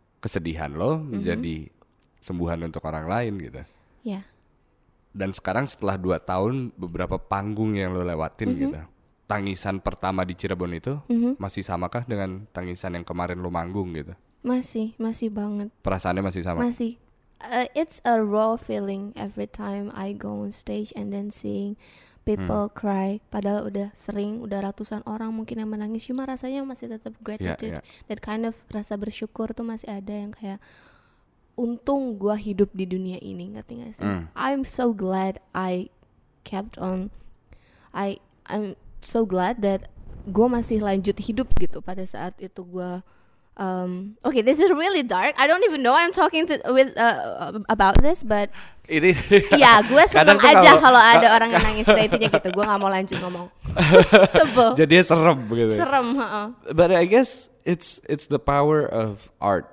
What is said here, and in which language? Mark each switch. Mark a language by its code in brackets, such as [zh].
[id] Kesedihan lo menjadi sembuhan untuk orang lain gitu. Iya. Dan sekarang setelah 2 tahun beberapa panggung yang lo lewatin gitu. Tangisan pertama di Cirebon itu masih samakah dengan tangisan yang kemarin lo manggung gitu? Masih, masih banget. Perasaannya masih sama? Masih. [en] It's a raw feeling every time I go on stage and then seeing people cry. [id] Padahal udah sering, udah ratusan orang mungkin yang menangis. Cuma rasanya masih tetap gratitude. [en] Yeah, yeah. That kind of [id] rasa bersyukur tuh masih ada yang kayak, untung gua hidup di dunia ini, ngerti gak sih? [en] I'm so glad I kept on. I'm so glad that [id] gua masih lanjut hidup gitu pada saat itu gua. [en] Okay, this is really dark. I don't even know I'm talking with about this, but [id] ini ya, gue seneng aja kalau ada orang yang nangis dari itunya gitu. Gue nggak mau lanjut ngomong. Sebel. Jadi serem gitu. Serem. [en] But I guess it's the power of art.